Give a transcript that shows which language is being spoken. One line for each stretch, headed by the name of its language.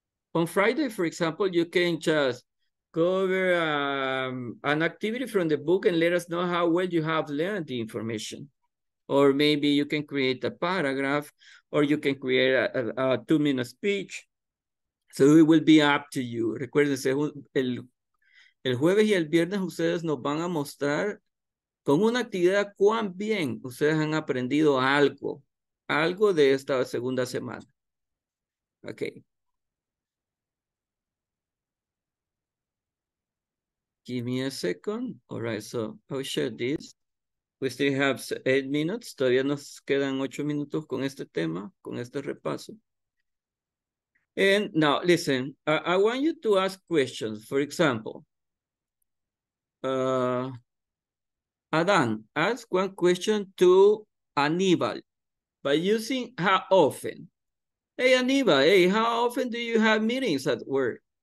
English: On Friday, for example, you can just go over an activity from the book and let us know how well you have learned the information. Or maybe you can create a paragraph, or you can create a 2-minute speech. So it will be up to you.
Spanish: Recuérdense, el jueves y el viernes ustedes nos van a mostrar con una actividad cuán bien ustedes han aprendido algo de esta segunda semana.
English: Okay. Give me a second. All right, so I'll share this. We still have 8 minutes.
Spanish: Todavía nos quedan 8 minutos con este tema, con este repaso.
English: And now, listen, I want you to ask questions. For example, Adán, ask one question to Aníbal by using how often. Hey, Aníbal, hey, how often do you have meetings at work?